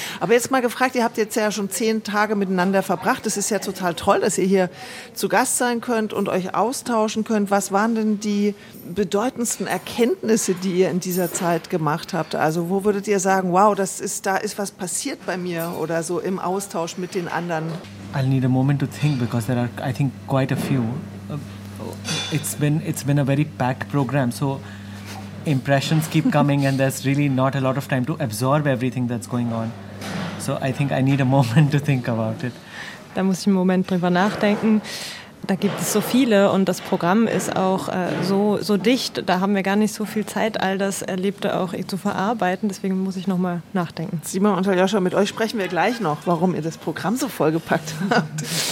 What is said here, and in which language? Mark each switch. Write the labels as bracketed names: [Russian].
[German] Aber jetzt mal gefragt, ihr habt jetzt ja schon 10 Tage miteinander verbracht. Es ist ja total toll, dass ihr hier zu Gast sein könnt und euch austauschen könnt. Was waren denn die bedeutendsten Erkenntnisse, die ihr in dieser Zeit gemacht habt? Also wo würdet ihr sagen, wow, da ist was passiert bei mir oder so im Austausch mit den anderen? [English] I'll need a moment to think because there are, I think, quite a few. It's been a very packed program, so impressions keep coming and there's really not a lot of time to absorb everything that's going on. So I think I need a moment to think about it. [German] Da muss ich einen Moment drüber nachdenken. Da gibt es so viele und das Programm ist auch so dicht, da haben wir gar nicht so viel Zeit, all das Erlebte auch zu verarbeiten, deswegen muss ich nochmal nachdenken. Simon und Aljoscha, mit euch sprechen wir gleich noch, warum ihr das Programm so vollgepackt habt.